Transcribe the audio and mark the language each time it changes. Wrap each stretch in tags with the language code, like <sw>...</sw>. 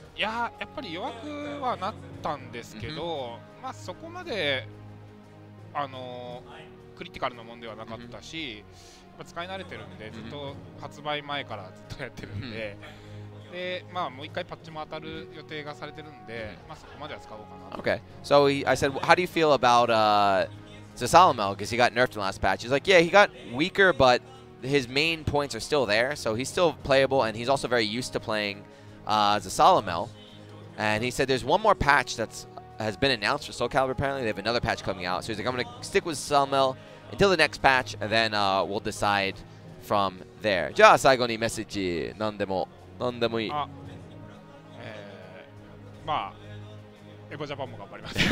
<ja>いや、やっぱり弱くはなったんですけど、まあ、そこまで、クリティカルなもんではなかったし、まあ、使い慣れてるんでずっと発売前からずっとやってるんで。で、まあ、もう一回パッチも当たる予定がされてるんで、まあ、そこまでは使おうかな。</ja> <en>Okay. So I said, how do you feel about Zasalamel? Because he got nerfed in the last patch. He's like, yeah, he got weaker, but his main points are still there. So he's still playable, and he's also very used to playing Zasalamel. And he said there's one more patch that has been announced for Soul Calibur, apparently. They have another patch coming out. So he's like, I'm going to stick with Zasalamel until the next patch, and then we'll decide from there.</en> <ja>じゃあ最後にメッセージ、なんでも。なんでもいい。まあ、エボジャパンも頑張ります。</ja>